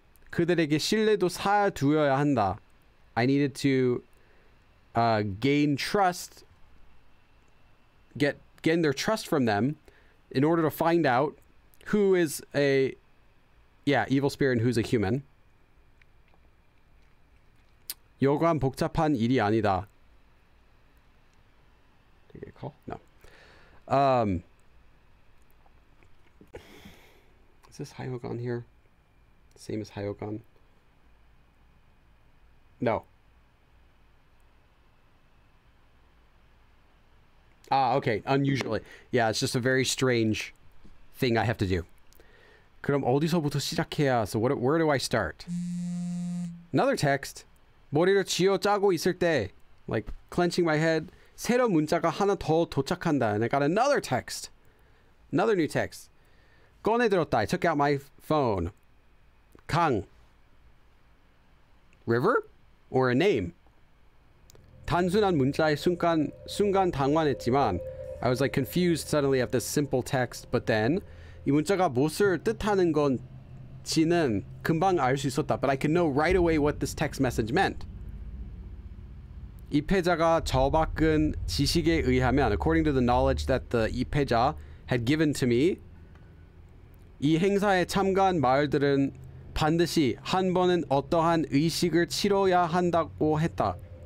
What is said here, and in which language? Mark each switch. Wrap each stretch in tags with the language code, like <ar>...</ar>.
<ko>그들에게 신뢰도 사두어야 한다.</ko> <en>I needed to gain trust, gain their trust from them in order to find out who is a, evil spirit and who's a human. 요건 복잡한 일이 아니다. Did you get a call? No. Is this Hyogon here? Same as Hyogon? No. Ah, okay. Unusually. Yeah, it's just a very strange thing I have to do.</en> <ko>그럼 어디서부터 시작해야?</ko> <en>So where do I start? Another text.</en> <ko>머리를 쥐어 짜고 있을 때,</ko> <en>like clenching my head.</en> <ko>새로운 문자가 하나 더 도착한다.</ko> <en>And I got another text. Another new text.</en> <ko>꺼내들었다.</ko> <en>I took out my phone.</en> <ko>강.</ko> <en>River? Or a name?</en> <ko>단순한 문자에 순간 당황했지만,</ko> <en>I was like confused suddenly at this simple text, but then,</en> <ko>이 문자가 무엇을 뜻하는 건지는 금방 알 수 있었다.</ko> <en>But I could know right away what this text message meant.</en> <ko>입회자가 저박은 지식에 의하면,</ko> <en>according to the knowledge that the 입회자 had given to me,</en> <ko>이 행사에 참가한 마을들은 반드시 한 번은 어떠한 의식을 치러야 한다고 했다.</ko>